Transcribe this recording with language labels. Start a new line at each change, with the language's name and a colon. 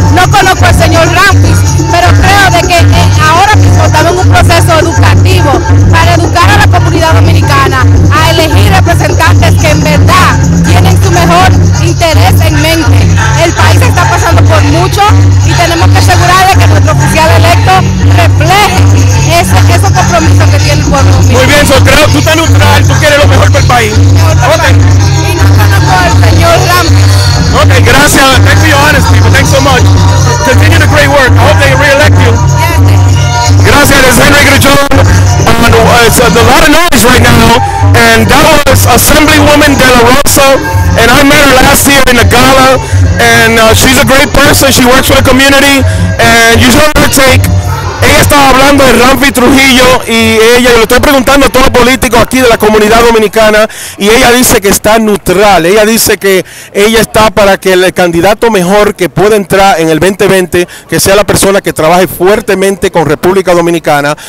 Spanish: No conozco al señor Ramfis, pero creo de que ahora mismo estamos en un proceso educativo para educar a la comunidad dominicana a elegir representantes que en verdad tienen su mejor interés en mente. El país está pasando por mucho y tenemos que asegurar de que nuestro oficial electo refleje esos compromisos que tiene el pueblo dominicano. Muy bien, Socrao, tú estás neutral, tú quieres lo mejor para el país. Okay, gracias.
English: Thanks for your honesty, but thanks so much. Continue the great work. I hope they re-elect you.
Spanish: Gracias. Gracias.
English: It's Henry Grullón. It's a lot of noise right now. And that was Assemblywoman De La Rosa. And I met her last year in the gala. And she's a great person. She works for the community. And you should have her take.
Spanish: está hablando de Ramfi Trujillo y ella, yo le estoy preguntando a todo político aquí de la comunidad dominicana y ella dice que está neutral, ella dice que ella está para que el candidato mejor que pueda entrar en el 2020, que sea la persona que trabaje fuertemente con República Dominicana.